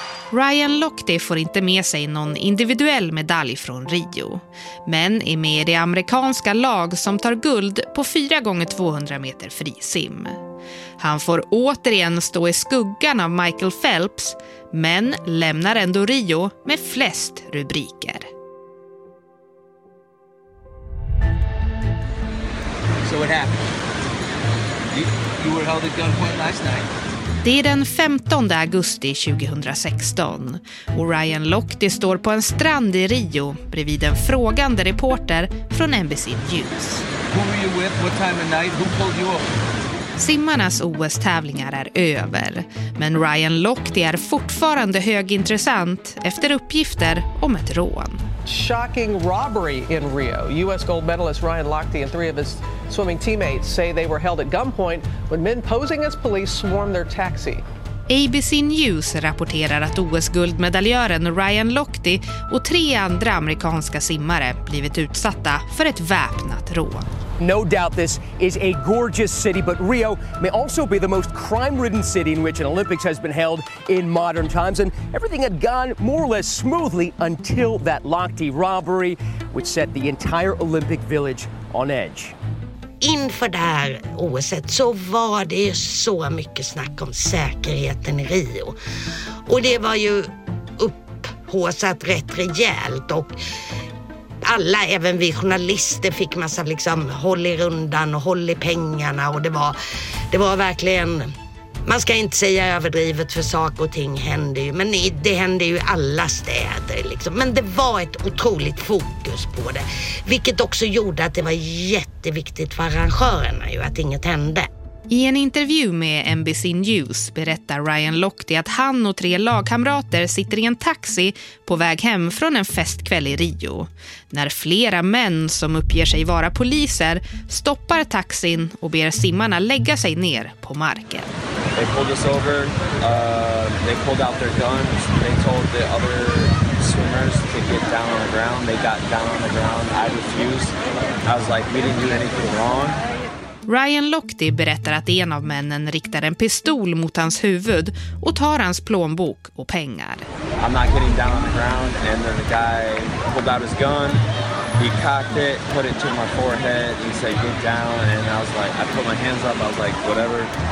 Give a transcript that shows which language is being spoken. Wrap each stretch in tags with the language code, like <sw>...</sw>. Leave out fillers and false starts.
<sv>Ryan Lochte får inte med sig någon individuell medalj från Rio, men är med i det amerikanska lag som tar guld på 4x200 meter frisim. Han får återigen stå i skuggan av Michael Phelps, men lämnar ändå Rio med flest rubriker.</sv> <en>So what happened? You were held at gunpoint last night.</en> <sv>Det är den 15 augusti 2016 och Ryan Lochte står på en strand i Rio bredvid en frågande reporter från NBC News.</sv> <en>Who were you with? What time of night? Who pulled you up?</en> <sv>Simmarnas OS-tävlingar är över, men Ryan Lochte är fortfarande högintressant efter uppgifter om ett rån.</sv> <en>Shocking robbery in Rio. US gold medalist Ryan Lochte and three of his swimming teammates say they were held at gunpoint when men posing as police swarmed their taxi.</en> <sv>ABC News rapporterar att OS-guldmedaljören Ryan Lochte och tre andra amerikanska simmare blivit utsatta för ett väpnat rån.</sv> <en>No doubt this is a gorgeous city, but Rio may also be the most crime-ridden city in which an Olympics has been held in modern times. And everything had gone more or less smoothly until that Lochte robbery, which set the entire Olympic village on edge.</en> <sv>Inför det här OSet så var det ju så mycket snack om säkerheten i Rio. Och det var ju upphåsat rätt rejält. Och alla, även vi journalister, fick massa liksom håll i rundan och håll i pengarna. Och det var verkligen, man ska inte säga överdrivet, för saker och ting hände ju. Men det hände ju i alla städer liksom. Men det var ett otroligt fokus på det, vilket också gjorde att det var jätteviktigt för arrangörerna ju att inget hände. I en intervju med NBC News berättar Ryan Lochte att han och tre lagkamrater sitter i en taxi på väg hem från en festkväll i Rio, när flera män som uppger sig vara poliser stoppar taxin och ber simmarna lägga sig ner på marken.</sv> <en>They pulled us over, they pulled out their guns, they told the other swimmers to get down on the ground, they got down on the ground, I refused, I was like, we didn't do anything wrong.</en> <sv>Ryan Lochte berättar att en av männen riktar en pistol mot hans huvud och tar hans plånbok och pengar.</sv> <en>I'm not getting down on the ground, and then the guy pulled out his gun, he cocked it, put it to my forehead, he said get down, and I was like, I put my hands up, I was like, whatever.</en>